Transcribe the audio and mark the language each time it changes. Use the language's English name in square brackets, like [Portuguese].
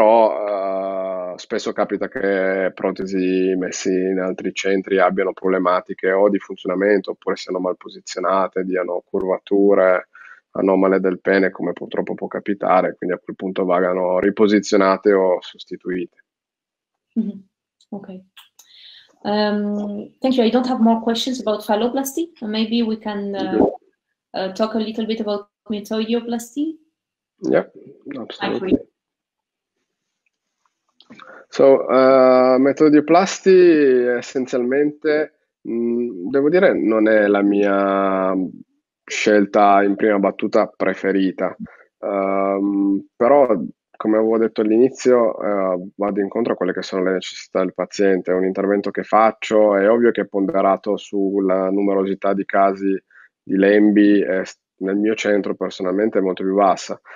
[Italian] Però spesso capita che protesi messe in altri centri abbiano problematiche o di funzionamento oppure siano mal posizionate, diano curvature anomale del pene, come purtroppo può capitare, quindi a quel punto vagano riposizionate o sostituite. [English] Okay. Thank you. I don't have more questions about phalloplasty. Maybe we can talk a little bit about metoidioplasty. Yeah, I agree. absolutely. [Italian] So, metodioplasti essenzialmente, devo dire, non è la mia scelta in prima battuta preferita. Però, come avevo detto all'inizio, vado incontro a quelle che sono le necessità del paziente. È un intervento che faccio, è ovvio che è ponderato sulla numerosità di casi di Lembi, nel mio centro personalmente è molto più bassa.